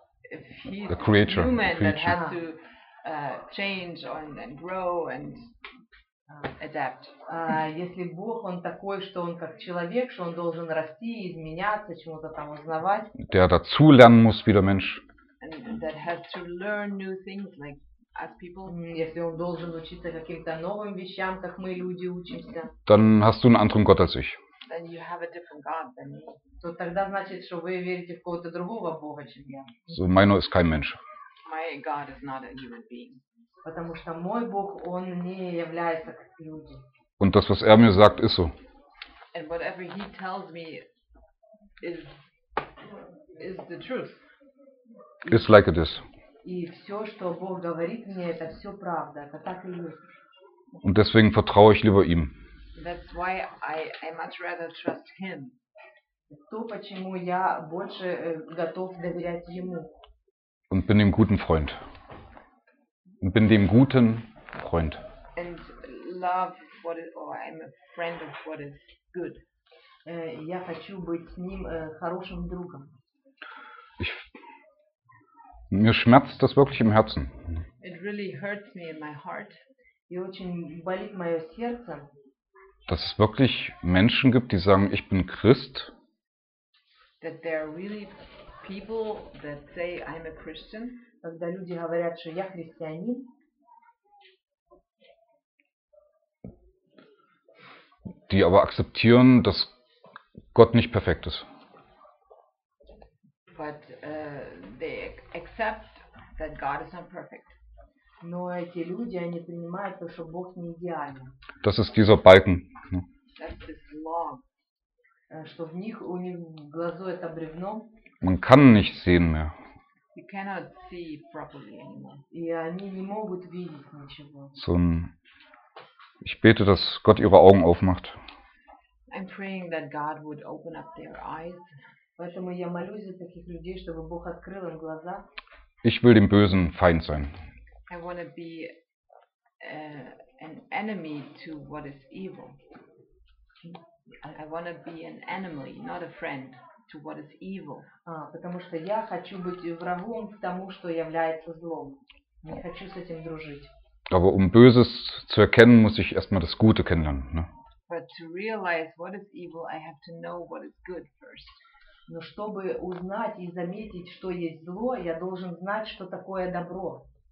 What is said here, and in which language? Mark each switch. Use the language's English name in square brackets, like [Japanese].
[English] if he's a creature, human, a creature that has to change and grow and adapt. [Russian] Если Бог, он такой, что он как человек, что он должен расти, изменяться, чему-то там узнавать. [German] Der dazu lernen muss wie der Mensch. [English] And that has to learn new things like as people. [Russian] Если он должен учиться каким-то новым вещам, как мы люди учимся. [German] Dann hast du einen anderen Gott als ich. [English] Then you have a different God than me. [Russian] То тогда значит, что вы верите в кого-то другого Бога, чем я. [German] So mein Gott ist kein Mensch. [English] My God is not a human being. [Russian] Потому что мой Бог, он не является как люди. [German] Und das, was er mir sagt, ist so. [English] And whatever he tells me is the truth. It's like it is. [Russian] И все, что Бог говорит мне, это все правда, это так и есть. [German] Und deswegen vertraue ich lieber ihm. [English] That's why I much rather trust him. [Russian] То, почему я больше готов доверять ему. [German] Und bin ihm guten Freund. Und bin dem guten Freund. [English] And love what is, or I'm a friend of what is good. [Russian] Я хочу быть с ним хорошим другом. [German] Mir schmerzt das wirklich im Herzen. [English] It really hurts me in my heart. [Russian] И очень болит мое сердце. [German] Dass es wirklich Menschen gibt, die sagen, ich bin Christ. [English] That there are really people that say I'm a Christian. [Russian] Когда люди говорят, что я христианин. [German] Die aber akzeptieren, dass Gott nicht perfekt ist. [English] But they accept that God is not perfect. [Russian] Но эти люди, они принимают то, что Бог не идеален. [German] Das ist dieser Balken. [English] That's this log. [Russian] Что у них в глазу это бревно. [German] Man kann nicht sehen mehr. [English] You cannot see properly anymore. [Russian] И они не могут видеть ничего. [German] So, ich bete, dass Gott ihre Augen aufmacht. [English] I'm praying that God would open up their eyes. [Russian] Поэтому я молюсь за таких людей, чтобы Бог открыл им глаза. [German] Ich will dem Bösen Feind sein. [English] I want to be an enemy to what is evil. I want to be an enemy, not a friend. To what is evil. [Russian] Потому что я хочу быть врагом к тому, что является злом. Не хочу с этим дружить. [German] Aber Böses zu erkennen, muss ich erstmal das Gute kennenlernen, ne? [English] But to realize what is evil, I have to know what is good first. [Russian] Но чтобы узнать и заметить, что есть зло, я должен знать, что такое добро.